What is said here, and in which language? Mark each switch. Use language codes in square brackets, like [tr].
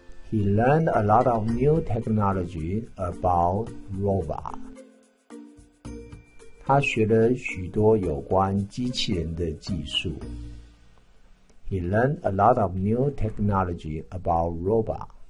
[en] He learned a lot of new technology about robot. [zh] 他学了许多有关机器人的技术。 [en] He learned a lot of new technology about robot.